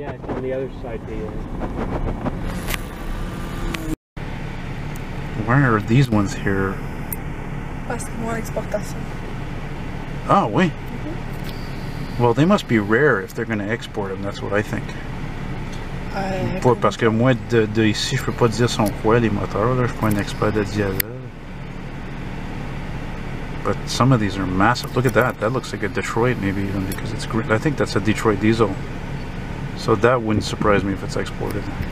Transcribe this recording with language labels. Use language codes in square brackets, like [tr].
[en] Yeah, it's on the other side. Why are these ones here? [fr] Parce que moi, exportation. Oh, oui. [en] Well, they must be rare if they're going to export them, that's what I think. [fr] Pour, parce que moi de ici, je peux pas dire son quoi les moteurs, là, je suis pas un expert de diesel. [en] But some of these are massive. Look at that. That looks like a Detroit, maybe, even, because it's green. I think that's a Detroit diesel. So that wouldn't surprise me if it's exported.